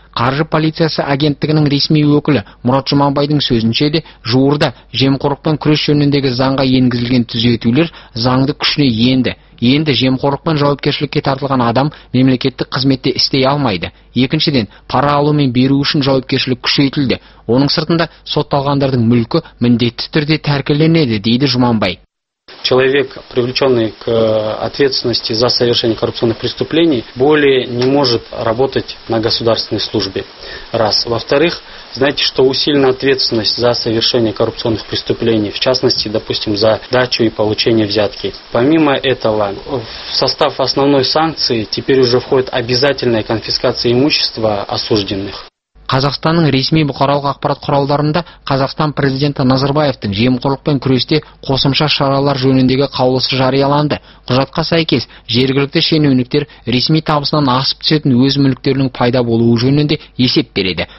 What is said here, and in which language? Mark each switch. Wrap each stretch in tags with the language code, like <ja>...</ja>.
<kk>Қаржы полициясы агенттігінің ресми өкілі Мұрат Жұманбайдың сөзінше де, жуырда жемқорлықпен күрес жөніндегі заңға енгізілген түзетулер заңды күшіне енді. Енді жемқорлықпен жауапкершілікке тартылған адам мемлекеттік қызметте істей алмайды. Екіншіден, пара алу мен беру үшін жауапкершілік күшейтілді. Оның сыртында сотталғандардың мүлкі міндетті түрде тәркіленеді, дейді Жұманбай.</kk> <ru>Человек, привлеченный к ответственности за совершение коррупционных преступлений, более не может работать на государственной службе. Раз. Во-вторых, знаете, что усилена ответственность за совершение коррупционных преступлений, в частности, допустим, за дачу и получение взятки. Помимо этого, в состав основной санкции теперь уже входит обязательная конфискация имущества осужденных.</ru> <kk>Қазақстанның ресми бұқаралық ақпарат құралдарында Қазақстан президенті Назарбаевтың жемқорлықпен күресте қосымша шаралар жөніндегі қаулысы жарияланды. Құжатқа сәйкес, жергілікті шенеуніктер ресми табысынан асып түсетін өз мүліктерінің пайда болуы жөнінде есеп береді.</kk>